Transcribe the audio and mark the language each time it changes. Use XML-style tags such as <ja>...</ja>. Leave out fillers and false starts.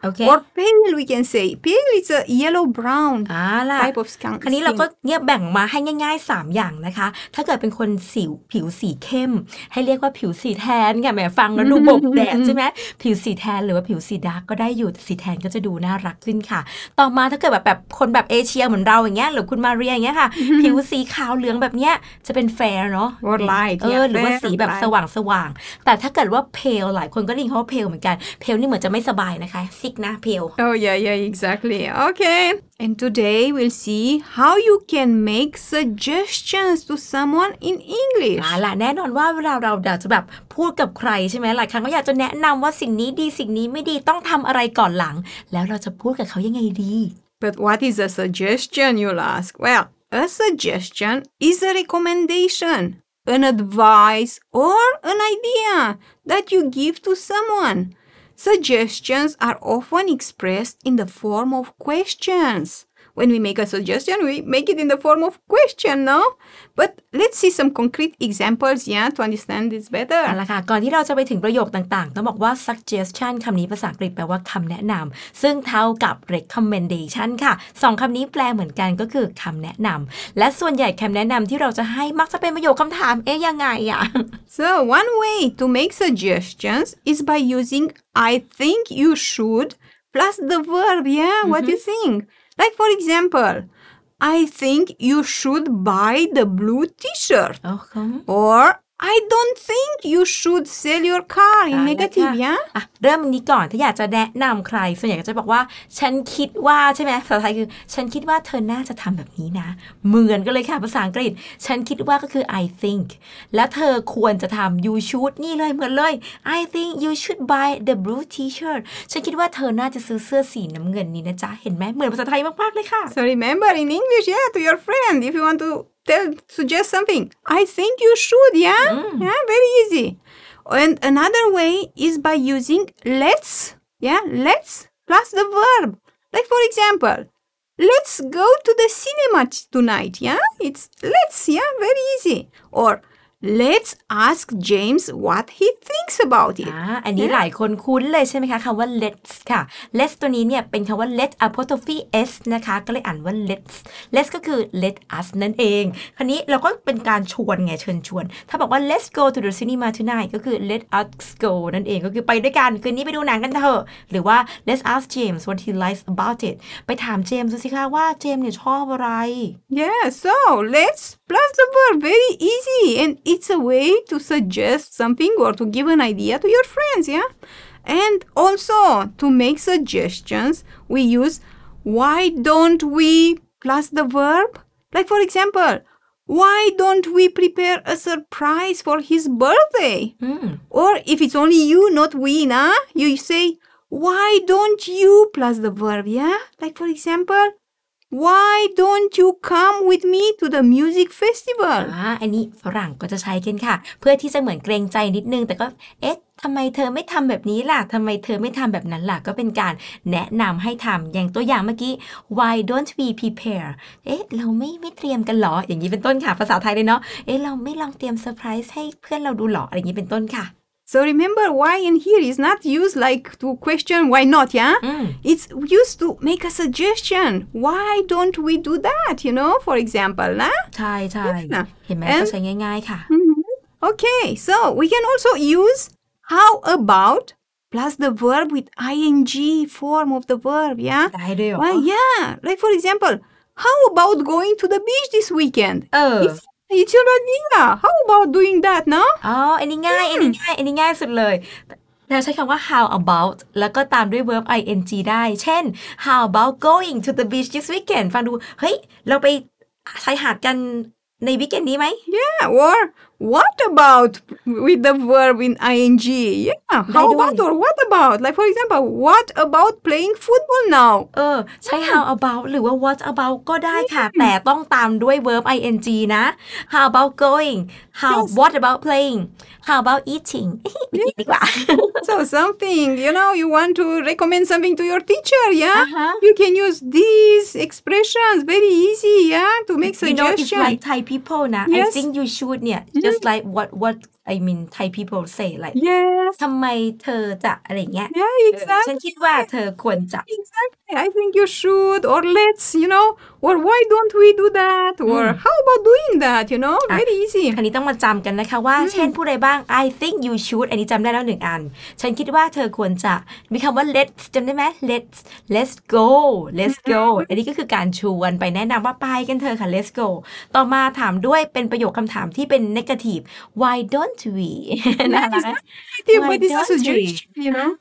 <en>Okay. Or pale, we can say. Pale, it's a yellow-brown type of skin.</en> <th>คราวนี้เราก็เนี่ยแบ่งมาให้ง่ายๆ3อย่างนะคะถ้าเกิดเป็นคนสิวผิวสีเข้มให้เรียกว่าผิวสีแทนค่ะแหมฟังแล้วดูบกแดดใช่ไหมผิวสีแทนหรือว่าผิวสีดาร์กก็ได้อยู่สีแทนก็จะดูน่ารักขึ้นค่ะต่อมาถ้าเกิดแบบคนแบบเอเชียเหมือนเราอย่างเงี้ยหรือคุณมาเรียอย่างเงี้ยค่ ะผิวสีขาวเหลืองแบบเนี้ยจะเป็น fair เนาะ</th> <en>or light</en> <th>หรือว่าสีแบบสว่างๆแต่ถ้าเกิดว่า pale หลายคนก็ได้ยินคำว่า pale เหมือนกันเพลนี่เหมือนจะไม่สบายนะคะซิกนะเพล</th> <en>Oh yeah yeah exactly okay and today we'll see how you can make suggestions to someone in English</en> <th>ล่ะแน่นอนว่าเวลาเราจะแบบพูดกับใครใช่ไหมหลายครั้งก็อยากจะแนะนำว่าสิ่งนี้ดีสิ่งนี้ไม่ดีต้องทำอะไรก่อนหลังแล้วเราจะพูดกับเขายังไงดี</th> <en>But what is a suggestion you'll ask Well a suggestion is a recommendation an advice or an idea that you give to someoneSuggestions are often expressed in the form of questions. When we make a suggestion, we make it in the form of question, no? But let's see some concrete examples, yeah, to understand this better.</en> <th>เอาล่ะค่ะก่อนที่เราจะไปถึงประโยคต่างๆต้องบอกว่า suggestion คำนี้ภาษาอังกฤษแปลว่าคำแนะนำซึ่งเท่ากับ recommendation ค่ะสองคำนี้แปลเหมือนกันก็คือคำแนะนำและส่วนใหญ่คำแนะนำที่เราจะให้มักจะเป็นประโยคคำถามเอ๊ยยังไงอ่ะ</th> <en>So one way to make suggestions is by using I think you should plus the verb, yeah, mm-hmm. what you think. Like for example,I think you should buy the blue t-shirt. Okay. Or I don't think you should sell your car in negative, yeah?</en> <th>เริ่มนี้ก่อนถ้าอยากจะแนะนำใครส่วนใหญ่ก็จะบอกว่าฉันคิดว่าใช่ไหมภาษาไทยคือฉันคิดว่าเธอน่าจะทำแบบนี้นะเหมือนกันเลยค่ะภาษาอังกฤษฉันคิดว่าก็คือ</th> <en>I think และเธอควรจะทำ you should นี่เลยเหมือนเลย I think you should buy the blue t-shirt</en> <th>ฉันคิดว่าเธอน่าจะซื้อเสื้อสีน้ำเงินนี้นะจ๊ะเห็นไหมเหมือนภาษาไทยมากๆเลยค่ะ</th> <en>So remember in English yeah to your friend if you want toTell, suggest something. I think you should, yeah? Mm. Yeah, very easy. And another way is by using let's, yeah? Let's plus the verb. Like, for example, let's go to the cinema tonight, yeah? It's let's, yeah? Very easy. Or... Let's ask James what he thinks about it.</en> <th>อันนี้ หลายคนคุ้นเลยใช่ไหมคะคำว่า let's ค่ะ let's ตัวนี้เนี่ยเป็นคำว่า let apostrophe s นะคะก็เลยอ่านว่า let's let's ก็คือ let us นั่นเองคราวนี้เราก็เป็นการชวนไงเชิญชวนถ้าบอกว่า</th> <en>let's go to the cinema tonight</en> <th>ก็คือ</th> <en>let us go</en> <th>นั่นเองก็คือไปด้วยกันคืนนี้ไปดูหนังกันเถอะหรือว่า</th> <en>let's ask James what he likes about it</en> <th>ไปถามเจมส์ดูสิคะว่าเจมส์เนี่ยชอบอะไร</th> <en>Yeah so let's plus the verb very easy andIt's a way to suggest something or to give an idea to your friends, yeah? And also, to make suggestions, we use why don't we plus the verb. Like, for example, why don't we prepare a surprise for his birthday? Mm. Or if it's only you, not we, nah? You say, why don't you plus the verb, yeah? Like, for example... Why don't you come with me to the music festival?</en> <th>อันนี้ฝรั่งก็จะใช้กันค่ะเพื่อที่จะเหมือนเกรงใจนิดนึงแต่ก็เอ๊ะทำไมเธอไม่ทำแบบนี้ล่ะทำไมเธอไม่ทำแบบนั้นล่ะก็เป็นการแนะนำให้ทำอย่างตัวอย่างเมื่อกี้</th> <en>Why don't we prepare?</en> <th>เอ๊ะเราไม่เตรียมกันหรออย่างนี้เป็นต้นค่ะภาษาไทยเลยเนาะเอ๊ะเราไม่ลองเตรียมเซอร์ไพรส์ให้เพื่อนเราดูหรออย่างนี้เป็นต้นค่ะ</th> <en>So remember why in here is not used like to question why not, yeah? Mm. It's used to make a suggestion. Why don't we do that, you know, for example, nah?</en> <th>ใช่ๆ เห็นไหมก็ใช้ง่ายๆค่ะ</th> <en>Okay, so we can also use how about plus the verb with ing form of the verb, yeah?</en> <th>ได้ด้วยเหรอ</th> <en>Well, yeah. Like for example, how about going to the beach this weekend?</en> <th>เออ</th> <en>If you children need that, how about doing that, no?</en> <th>อ๋ออันนี้ง่ายอันนี้ง่ายสุดเลยเราใช้คำว่า</th> <en>how about แล้วก็ตามด้วย verb ing ได้เช่น how about going to the beach this weekend</en> <th>ฟังดูเฮ้ยเราไปชายหาดกันในวีคเอนด์นี้ไหม</th> <en>Yeah or what about with the verb in ing Yeah how about or what about like for example what about playing football now</en> <th>เออใช้ how about หรือว่า what about ก็ได้ค่ะแต่ต้องตามด้วย verb ing นะ</th> <en>how about going how yes. what about playing how about eating</en> <th>ดีกว่า</th> <en>so something you know you want to recommend something to your teacher yeah uh-huh. you can use these expressions very easy yeah to make suggestions you know it's like Thai people</en> <th>นะ</th> <en>yes. I think you should</en> <th>เนี่ย</th> <en>just like what I mean Thai people say like yes</en> <th>ทำไมเธอจะอะไรเงี้ย</th> <en>yeah exactly</en> <th>ฉันคิดว่าเธอควรจะ</th> <en>exactly I think you should or let's you know or why don't we do that or how about doing that you know very easy</en> <th>อันนี้ต้องมาจำกันนะคะว่าเช่นผู้ใดบ้าง</th> <en>I think you should</en> <th>อันนี้จำได้แล้วหนึ่งอันฉันคิดว่าเธอควรจะมีคำว่า let's จำได้ไหม let's go อันนี้ก็คือการชวนไปแนะนำว่าไปกันเธอค่ะ let's go ต่อมาถามด้วยเป็นประโยคคำถามที่เป็น negative</th> <en>why don't we</en> <th>นะคะ</th> <en>why don't you</en>